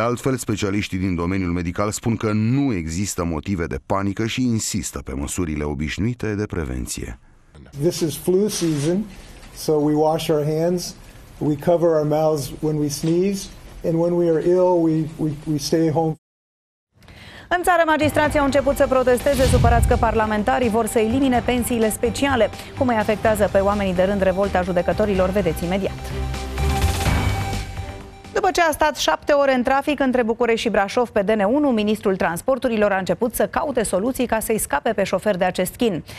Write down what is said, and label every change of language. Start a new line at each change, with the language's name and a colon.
Romanian: altfel, specialiștii din domeniul medical spun că nu există motive de panică și insistă pe măsurile obișnuite de prevenție.
English: This is flu season, so we wash our hands, we cover our mouths when we sneeze, and when we are ill, we stay home.
Romanian: În țară, magistrații au început să protesteze, supărați că parlamentarii vor să elimine pensiile speciale. Cum îi afectează pe oamenii de rând revolta judecătorilor, vedeți imediat. După ce a stat 7 ore în trafic între București și Brașov pe DN1, ministrul transporturilor a început să caute soluții ca să-i scape pe șofer de acest chin.